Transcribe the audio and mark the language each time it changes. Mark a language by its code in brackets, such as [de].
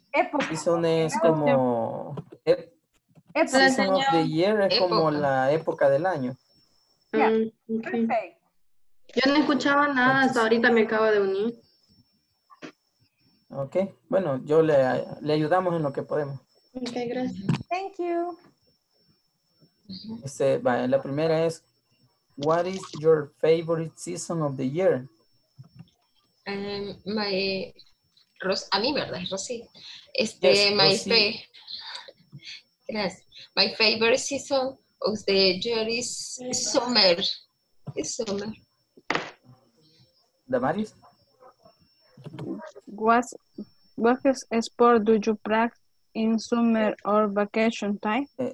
[es] Época. Season es como época. [en] Season of the year [es] es época. Como la época del año. [en] Yeah. Okay. [es] Yo no escuchaba nada. Entonces, hasta ahorita me acabo de unir. Ok, bueno, yo le ayudamos en lo que podemos. Ok, gracias. [en] Thank you. [es] Este, vale, la primera es, [en] what is your favorite season of the year? [es] A mí, ¿verdad? Rosy. Este, [en] yes, my, [es] Rosy. Fe. Gracias. [en] My favorite season of the year is summer. It's summer. Damaris? What sport do you practice in summer or vacation time?